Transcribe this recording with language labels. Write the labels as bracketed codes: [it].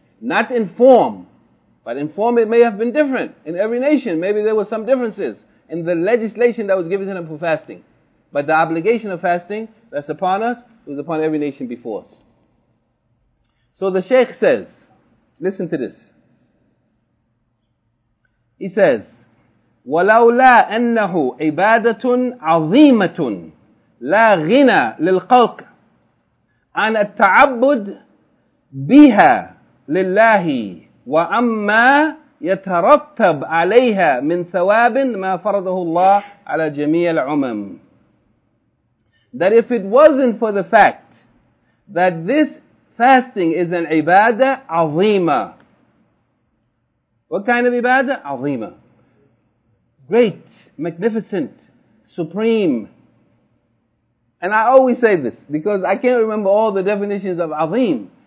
[en] Not in form, but in form it may have been different. In every nation, maybe there were some differences in the legislation that was given to them for fasting. But the obligation of fasting that's upon us was upon every nation before us. So the Shaykh says, listen to this. He says, [ar] وَلَوْلَا أَنَّهُ عِبَادَةٌ عَظِيمَةٌ لَا غِنَى لِلْقَلْقِ عَنْ التَّعَبُّدِ بِهَا لله وأما يترتب عليها من ثواب ما فرضه الله على جميع العمم. [en] That if it wasn't for the fact that this fasting is an ibadah azima. What kind of ibadah? Azima. Great, magnificent, supreme. And I always say this because I can't remember all the definitions of azim.